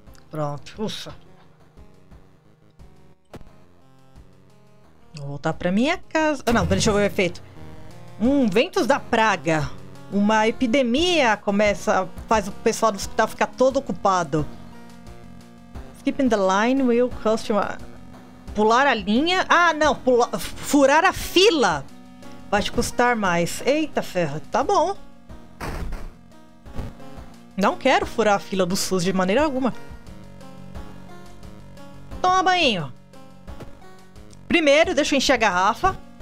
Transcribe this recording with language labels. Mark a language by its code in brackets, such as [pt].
[pt] Pronto, ufa. Vou voltar pra minha casa. Ah, não, deixa eu ver o efeito. Ventos da praga. Uma epidemia começa, faz o pessoal do hospital ficar todo ocupado. [en] Skipping the line will cost you... [pt] Pular a linha. Ah, não, furar a fila vai te custar mais. Eita ferro, tá bom. Não quero furar a fila do SUS de maneira alguma. Toma banho. Primeiro, deixa eu encher a garrafa.